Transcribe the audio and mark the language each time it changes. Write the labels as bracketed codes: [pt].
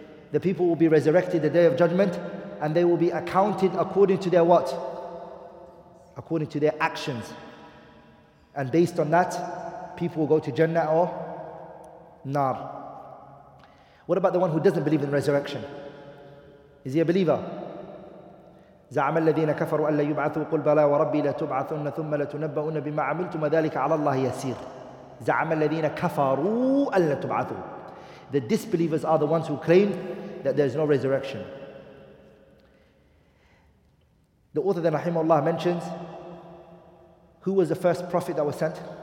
[en] The people will be resurrected the day of judgment. And they will be accounted according to their what? According to their actions. And based on that, people will go to Jannah or Nar. What about the one who doesn't believe in resurrection? Is he a believer? [ar] زعم الذين كفروا أن لا يبعثوا قل بلى وربي لتبعثن ثم لتنبؤن بما عملتم ذلك على الله يسير. زعم الذين كفروا أن لا تبعثوا. [en] The disbelievers are the ones who claim that there is no resurrection. The author then, rahimahullah, mentions, who was the first prophet that was sent?